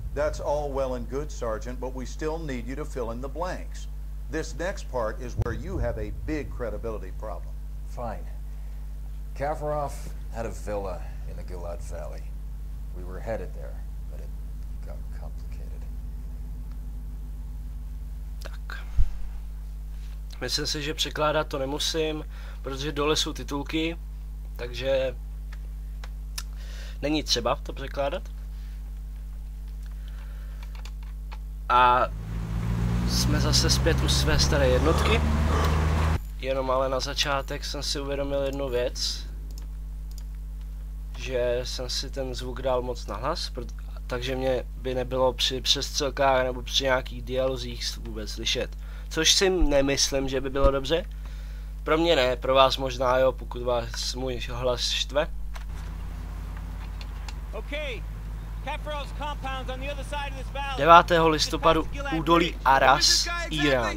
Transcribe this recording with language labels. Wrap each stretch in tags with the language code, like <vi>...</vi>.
<en>That's all well and good, Sergeant, but we still need you to fill in the blanks. This next part is where you have a big credibility problem. Fine. Kafarov had a villa in the Gilad Valley. We were headed there, but it got complicated.</en> <cs>Tak. Myslím si, že překládat to nemusím, protože dole jsou titulky, takže není třeba to překládat. A jsme zase zpět u své staré jednotky. Jenom ale na začátek jsem si uvědomil jednu věc. Že jsem si ten zvuk dal moc nahlas, takže mě by nebylo při přestřelkách nebo při nějakých dialozích vůbec slyšet. Což si nemyslím, že by bylo dobře. Pro mě ne, pro vás možná jo, pokud vás můj hlas štve.</cs> <en>Okay. Kafarov's compound on the other side of this valley.</en> <cs>9. listopadu údolí Aras, Irán.</cs>